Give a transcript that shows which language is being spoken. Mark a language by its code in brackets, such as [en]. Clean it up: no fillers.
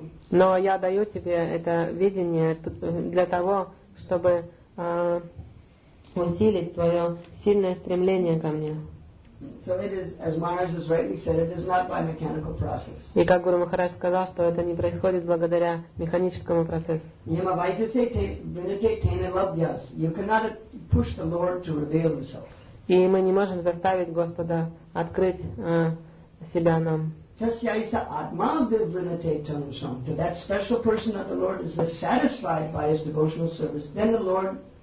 [ru] Но я даю тебе это видение для того, чтобы усилить твое сильное стремление ко мне. [en] So it is, as Maharaj has rightly said, it is not by mechanical process. [ru] И как Гуру Махарадж сказал, что это не происходит благодаря механическому процессу. [sa] Yama vaisyate vinate tena labhyas. [en] You cannot push the Lord to reveal himself. [ru] И мы не можем заставить Господа открыть себя нам. [sa] Tasya isa atma vinate tanusam. [en] To that special person that the Lord is satisfied by his devotional service, then the Lord